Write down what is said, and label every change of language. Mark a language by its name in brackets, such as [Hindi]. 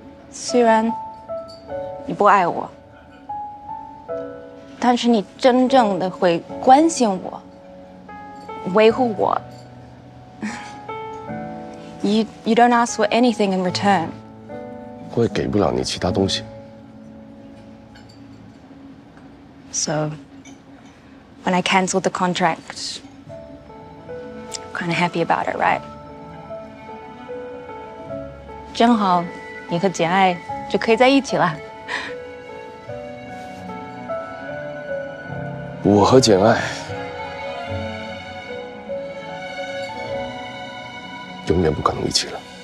[Chinese] 虽然你不爱我，但是你真正的会关心我，维护我， [English] You don't ask for anything in return. [Chinese] 我也给不了你其他东西。 [English] So, when I canceled the contract, kind of happy about it, right? [Chinese] 正好你和简爱就可以在一起了。我和简爱永远不可能一起了。